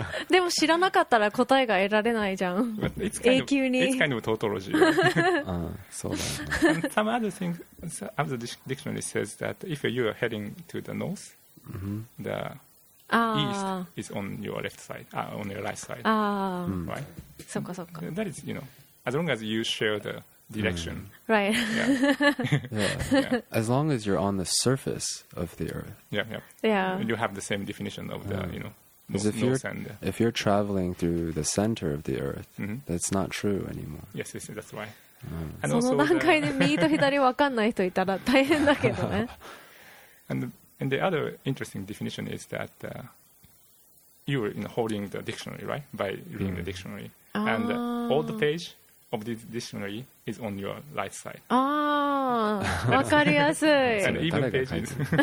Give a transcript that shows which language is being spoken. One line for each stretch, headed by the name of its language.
Japanese: でも知らなかったら答えが得られないじゃん。永久に。
English: It's kind of tautology.
Japanese: そうだね。
English: Some other things, other dictionary says that if you are heading to the north,、 mm-hmm. the east is on your left side,、on your right side.
Japanese: そっかそっか。
English: That is, you know, as long as you share thedirection、 mm. right yeah. yeah. as long as you're on the surface of the earth yeah you have the same definition of the、you know north, if you're and, if you're traveling through the center of the earth、 mm-hmm. that's not true anymore yes that's why、 mm.
Japanese: and その段階で右と左分かんない人いたら大変だけどね
English: and the other interesting definition is that、you're you know, holding the dictionary right by reading、mm. the dictionary、 ah. and all the pageof this dictionary is on your right side.
Japanese: Ah, 分かりやすい。
English: And even pages.